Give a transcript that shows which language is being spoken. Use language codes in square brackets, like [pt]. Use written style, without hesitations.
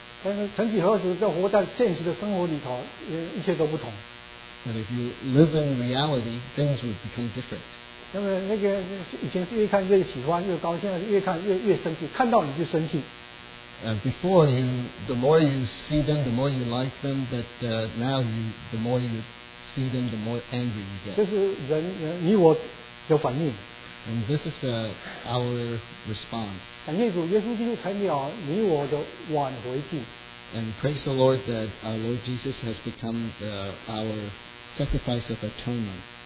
[zh] 但是曾几何时，在活在现实的生活里头，一切都不同。 [en] But if you live in reality, things would become different. [zh] 那么那个以前是越看越喜欢越高兴，现在是越看越生气，看到你就生气。 [en] Before you, the more you see them, the more you like them. But now you, the more you see them, the more angry you get. [zh] 这是人，你我的反应。 [en] And this is our response. [zh] 感谢主，耶稣基督成了你我的挽回祭。 [en] And praise the Lord that our Lord Jesus has become our sacrifice of atonement.